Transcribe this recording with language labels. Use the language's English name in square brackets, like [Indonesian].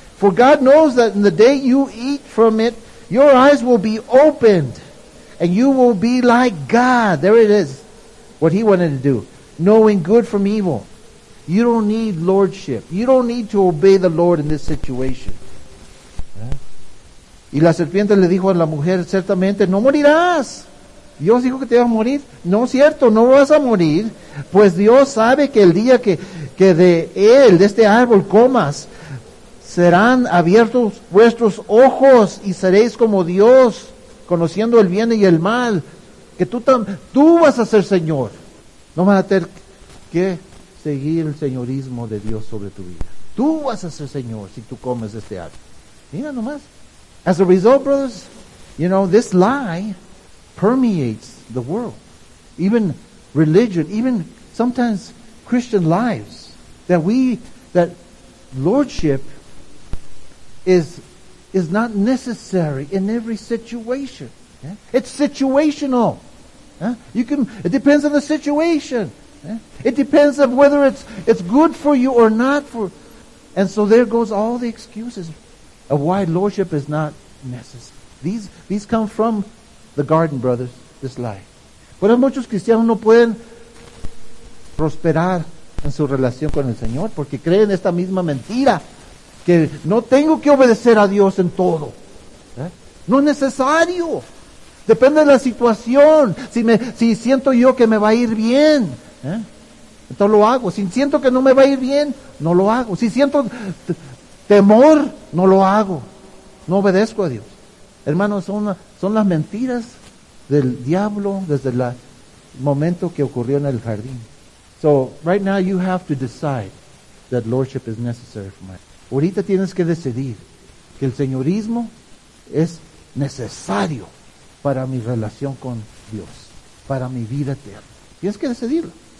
[English] For God knows that in the day you eat from it, your eyes will be opened, and you will be like God. There it is, what he wanted to do. Knowing good from evil. You don't need lordship. You don't need to obey the Lord in this situation. [Spanish] Y la serpiente le dijo a la mujer, ciertamente, no morirás. Dios dijo que te iba a morir. No, cierto, no vas a morir. Pues Dios sabe que el día que de él, de este árbol, comas, serán abiertos vuestros ojos y seréis como Dios, conociendo el bien y el mal. Que tú vas a ser Señor. No vas a tener que seguir el señorismo de Dios sobre tu vida. Tú vas a ser Señor si tú comes este árbol. Mira nomás. [English] As a result, brothers, you know, this lie permeates the world. Even religion, even sometimes Christian lives, that lordship is not necessary in every situation. Yeah? It's situational. Yeah? It depends on the situation. Yeah? It depends on whether it's good for you or not. And so there goes all the excuses of why lordship is not necessary. These come from the garden, brothers, this lie. [Spanish] Pero muchos cristianos no pueden prosperar en su relación con el Señor porque creen esta misma mentira, que no tengo que obedecer a Dios en todo. No es necesario. Depende de la situación. Si siento yo que me va a ir bien, entonces lo hago. Si siento que no me va a ir bien, no lo hago. Si siento temor, no lo hago. No obedezco a Dios. Hermanos, son las mentiras del diablo desde el momento que ocurrió en el jardín. [English] So, right now you have to decide that lordship is necessary for my life. [Spanish] Ahorita tienes que decidir que el señorismo es necesario para mi relación con Dios, para mi vida eterna. Tienes que decidirlo.